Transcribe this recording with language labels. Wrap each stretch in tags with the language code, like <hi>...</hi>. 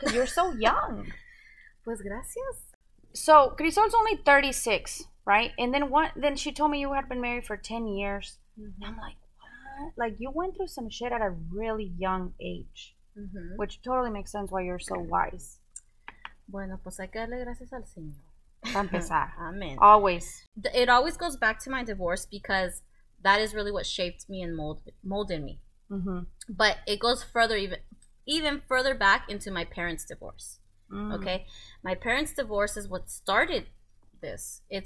<en>Because you're so young.</en> <es>Pues gracias.</es> <en>So, Crisol's only 36, right? And then then she told me you had been married for 10 years. Mm-hmm. And I'm like, like, you went through some shit at a really young age, Which totally makes sense why you're so wise.</en> <es>Bueno, pues hay que darle gracias al Señor. Para empezar.</es> <en>Amen. Always. It always goes back to my divorce, because that is really what shaped me and molded me. Mm-hmm. But it goes further, even further back into my parents' divorce. Mm. Okay? My parents' divorce is what started this.</en>